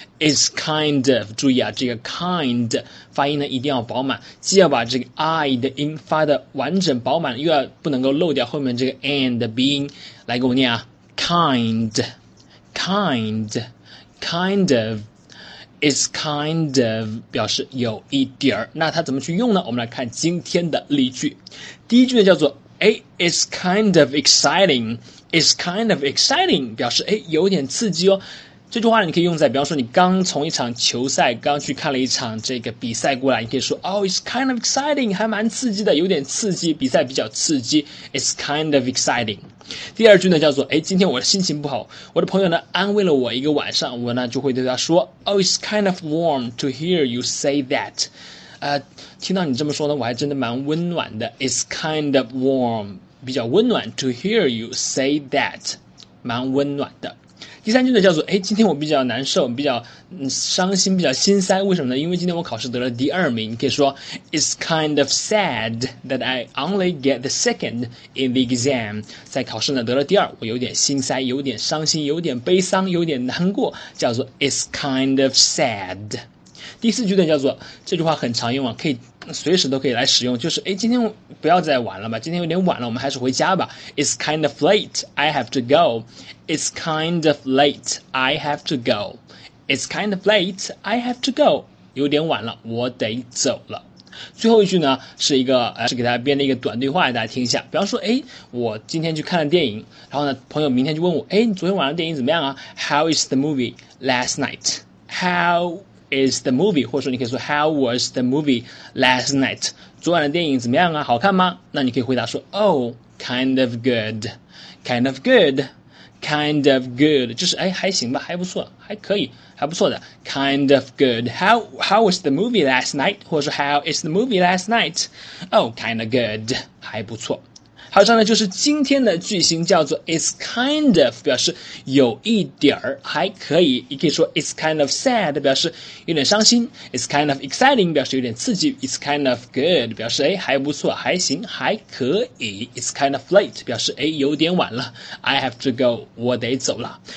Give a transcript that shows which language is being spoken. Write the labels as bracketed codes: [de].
[en] It's kind of， [zh] 注意啊，这个 kind 发音呢一定要饱满，既要把这个 I 的音发得完整饱满，又要不能够漏掉后面这个 and 的鼻音。来给我念啊 ，kind of。 [en] It's kind of [zh] 表示有一点儿，那它怎么去用呢？我们来看今天的例句。第一句呢叫做。 [en] 诶 it's kind of exciting, it's kind of exciting, [zh] 表示诶有点刺激哦。这句话你可以用在比方说你刚从一场球赛刚去看了一场这个比赛过来，你可以说 [en] oh, it's kind of exciting, [zh] 还蛮刺激的，有点刺激，比赛比较刺激， [en] it's kind of exciting。 [zh] 第二句呢叫做诶今天我的心情不好，我的朋友呢安慰了我一个晚上，我呢就会对他说 [en] oh, it's kind of warm to hear you say that。 [zh] 听到你这么说呢，我还真的蛮温暖的。 [en] It's kind of warm， [zh] 比较温暖。 [en] To hear you say that， [zh] 蛮温暖的。第三句呢，叫做，诶，今天我比较难受，比较伤心，比较心塞。为什么呢？因为今天我考试得了第二名。你可以说 ， [en] It's kind of sad that I only get the second in the exam。 [zh] 在考试呢得了第二，我有点心塞，有点伤心，有点悲伤，有点难过。叫做 [en] It's kind of sad。 [zh] 第四句呢叫做，这句话很常用啊，可以随时都可以来使用，就是诶今天不要再玩了吧，今天有点晚了，我们还是回家吧。 [en] It's kind of late, I have to go. It's kind of late, I have to go. It's kind of late, I have to go. [zh] 有点晚了，我得走了。最后一句呢是一个是给大家编的一个短对话，大家听一下。比方说，诶，我今天去看了电影，然后呢朋友明天就问我，诶，你昨天晚上电影怎么样啊？ [en] How is the movie last night? How is the movie， [zh] 或者说你可以说 [en] How was the movie last night， [zh] 昨晚的电影怎么样啊，好看吗？那你可以回答说 [en] Oh, kind of good, kind of good, [zh] kind of good， 就是哎还行吧，还不错，还可以，还不错的 kind of good。 [en] How was the movie last night， [zh] 或者说 [en] How is the movie last night， Oh, kind of good， [zh] 还不错。好，这样呢就是今天的句型，叫做 [en] It's kind of， [zh] 表示有一点儿还可以，也可以说 [en] It's kind of sad， [zh] 表示有点伤心， [en] It's kind of exciting， [zh] 表示有点刺激， [en] It's kind of good， [zh] 表示诶还不错，还行，还可以， [en] It's kind of late， [zh] 表示诶有点晚了， [en] I have to go， [zh] 我得走了。